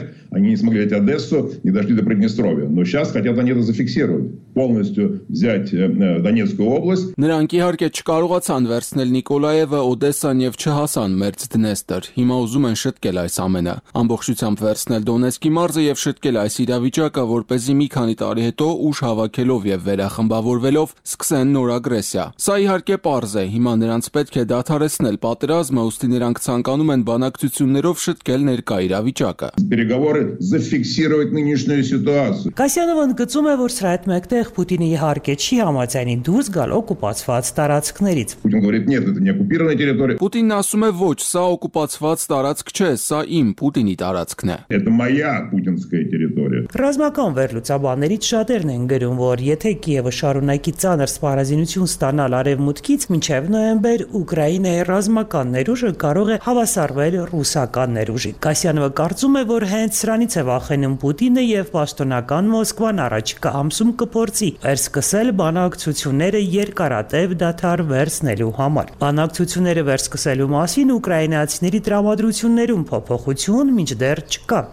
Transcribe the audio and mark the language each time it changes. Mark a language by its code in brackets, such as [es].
[ru] Они не смогли взять Одессу, не дошли до Приднестровья. Но сейчас хотят они это зафиксировать. Полностью взять Донецкую область. [hy] Նրանք իհարկե չկարողացան վերցնել Նիկոլաևը, Օդեսան եւ չհասան Մերձ Դնեստր։ Հիմա ուզում են շտկել այս ամենը, ամբողջությամբ վերցնել Դոնեցկի մարզը եւ շտկել այս իրավիճակը, որպեսզի մի քանի տարի հետո ուժ հավաքելով եւ վերախմբավորվելով սկսեն նոր ագրեսիա։ Սա իհարկե պարզ է, հիմա նրանց պետք է դադարեցնել պատերազմը, ուստի նրանք ցանկանում են բանակցություններով շտկել ներկա իրավիճակը։ [ru] Зафиксировать нынешнюю ситуацию. [hy] Կասյանովը ընդգծում է, որ սա այդ մեկտեղ Պուտինի իհարկե չի համաձայնի դուրս գալ օկուպացված տարածքներից։ [ru] Պուտին говорит: "Нет, это не оккупированная территория". [hy] Պուտինն ասում է, ոչ, սա օկուպացված տարածք չէ, սա իմ Պուտինի տարածքն է։ [ru] Это моя путинская территория. [hy] Ռազմական վերլուծաբաններից շատերն են գրում, որ եթե Կիևը շարունակի ծանր սպառազինություն ստանալ արևմուտքից մինչև նոյեմբեր, Ուկրաինայի ռազմական ներուժը կարող է հավասարվել ռուսական ներուժի։ Կասյանովը կարծում է, որ հենց սրանից է վախենում Պուտինը և պաշտոնական Մոսկվան առաջիկա ամսում կփորձի վերսկսել բանակցությունները երկարատև դադար վերցնելու համար։ Բանակցությունները վերսկսելու մասին ուկրաինացիների տրամադրություններում փոփոխություն մինչդեռ չկա։